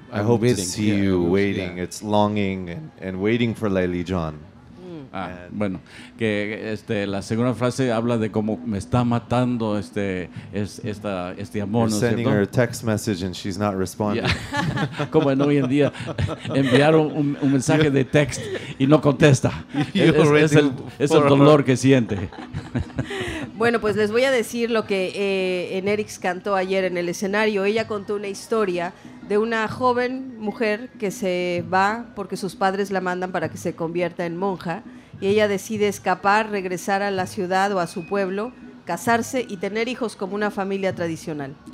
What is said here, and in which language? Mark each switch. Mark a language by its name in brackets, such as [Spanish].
[English] I hope waiting. To see yeah, you waiting. Yeah. It's longing and waiting for Layli John. Mm. [Spanish] Bueno, que este, la segunda frase habla de cómo me está matando este, es, esta, este amor. [English] You're sending her a text message and she's not responding. [Spanish] Como en hoy en día, enviar un mensaje de text y no contesta. Es el dolor que siente. Bueno, pues les voy a decir lo que Enerix cantó ayer en el escenario. Ella contó una historia de una joven mujer que se va porque sus padres la mandan para que se convierta en monja, y ella decide escapar, regresar a la ciudad o a su pueblo, casarse y tener hijos como una familia tradicional.